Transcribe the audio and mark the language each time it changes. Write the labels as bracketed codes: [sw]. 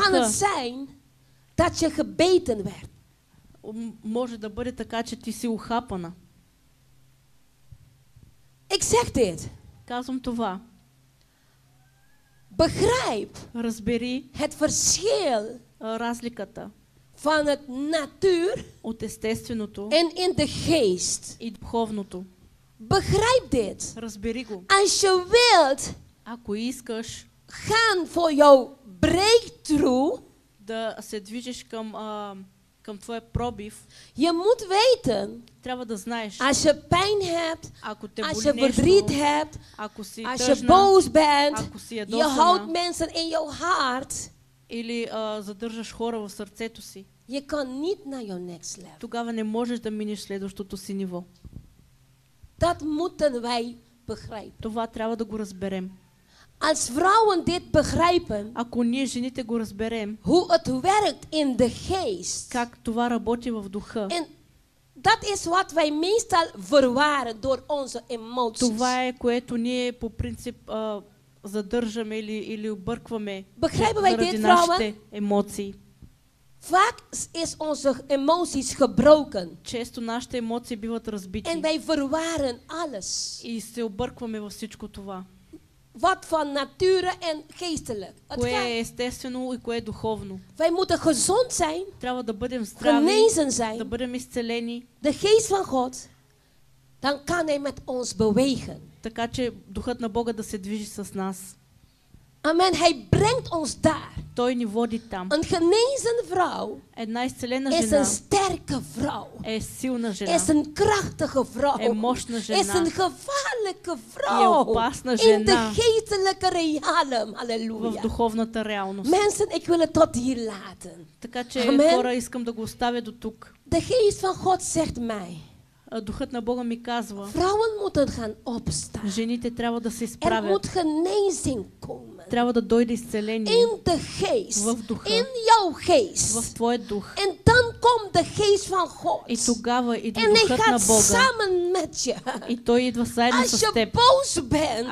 [nl] Kan het zijn dat je gebeten werd. [bg] Може да бъде така, че ти си ухапана. [nl] Ik zeg dit. [bg] Казвам това. [nl] Begrijp. [bg] Разбери. [nl] Het verschil. [bg] Разликата. [nl] Van het natuur. [bg] От естественото. [nl] En in de geest. [bg] И духовното. [nl] Begrijp dit. [bg] Разбери го. [nl] Als je wilt. [bg] Ако искаш. [nl] Gaan voor jouw breakthrough. [bg] Да се движиш към към твой пробив. [nl] Je moet weten. [bg] Трябва да знаеш. [nl] Als je pijn hebt, [bg] ако те боли, [nl] als je verdriet hebt, [bg] ако си тъжна, [nl] als je boos bent, [bg] ако си ядосана, [nl] je houdt mensen [en] in your heart, [bg] или задържаш хора в сърцето си. [nl] Je kan niet naar [en] your next level. [bg] Тогава не можеш да минеш следващото си ниво. [nl] Dat moeten wij begrijpen. [bg] Това трябва да го разберем. [nl] Als vrouwen dit begrijpen, [bg] ако ние жените го разберем, [nl] hoe het werkt in de geest, [bg] как това работи в духа, [nl] en dat is wat wij meestal verwaren door onze emoties. [bg] Това е което ние по принцип задържаме или объркваме. [nl] Begrijpen wij dit, vrouwen? Vaak is onze emoties gebroken. [bg] Често нашите емоции биват разбити. [nl] En wij verwaren alles. [bg] И се объркваме във всичко това. [nl] Wat van nature en geestelijk. [bg] Кое е естествено и кое е духовно. [nl] Wij moeten gezond zijn. [bg] Трябва да бъдем здрави. [nl] Genezen zijn. [bg] Да бъдем изцелени. [nl] De geest van God. Dan kan hij met ons bewegen. [bg] Така че духът на Бога да се движи с нас. [nl] Amen. Hij brengt ons daar. [bg] Той ни води там. [nl] Een genezen vrouw. [bg] Една изцелена [nl] жена. Is een sterke vrouw. [bg] Е силна жена. [nl] Is een krachtige vrouw. [bg] Е мощна жена. [nl] Is een gevaarlijke vrouw. [bg] Е опасна жена. [nl] In de geestelijke realm. Halleluja. [bg] В духовната реалност. [nl] Mensen, ik wil het tot hier laten. [bg] Така че, Amen. Хора, искам да го оставя до тук. [nl] De geest van God zegt mij. [bg] Духът на Бога ми казва. [nl] Vrouwen moeten gaan opstaan. [bg] Жените трябва да се изправят. [nl] Er moet genezing komen. [bg] Трябва да дойде изцеление. [en] In the geest, [bg] в духа. [en] In your geest. [bg] В твоя дух. [en] And then come the [nl] geest van God. [bg] И тогава идва духът на Бога. [nl] Samen met you. [bg] И той идва заедно с теб. [en] As you're [nl] boos bent,